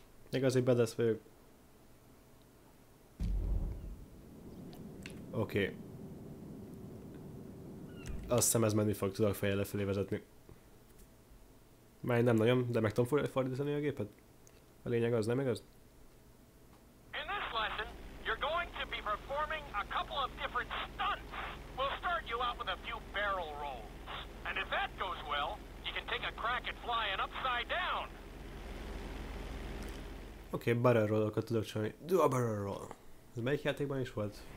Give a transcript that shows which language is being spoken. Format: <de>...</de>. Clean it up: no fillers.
<hu>Igazi badass vagyok. Oké. Azt hiszem ez menni fog, tudok fejjel lefelé vezetni. Már nem nagyon, de meg tudom fordítani a gépet? A lényeg az, nem igaz?</hu> <en>In this lesson, you're going to be performing a couple of different stunts. We'll start you out with a few barrel rolls. And if that goes well, you can take a crack at flying upside down.</en> <hu>Oké, okay, barrel rollokat tudok csinálni.</hu> <en>Do a barrel roll.</en> <hu>Ez melyik játékban is volt?</hu>